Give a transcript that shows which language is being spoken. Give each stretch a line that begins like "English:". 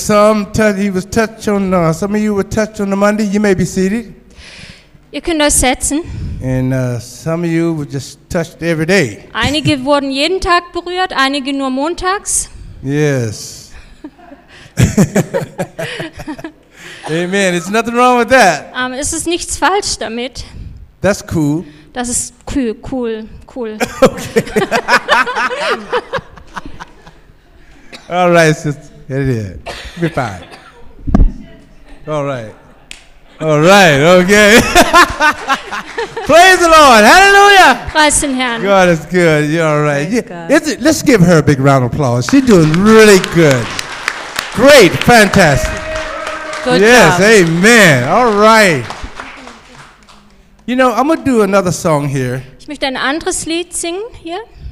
English: Some of you were touched on the Monday. You may be seated.
German: Ihr könnt euch setzen.
English: And some of you were just touched every day.
German: Einige wurden jeden Tag berührt, einige nur montags.
English: Yes. Amen. It's nothing wrong with that.
German: Es ist nichts falsch damit.
English: That's cool.
German: Das ist cool, cool, cool.
English: Okay. All right, sister. Get it. Be fine. All right. All right, okay. Praise the Lord. Hallelujah. Praise the Lord. God is good. You're all right. Yeah. Let's give her a big round of applause. She's doing really good. Great. Fantastic. Good yes, job. Yes, amen. All right. You know, I'm going to do another song here.
German: Ich möchte ein anderes Lied singen hier.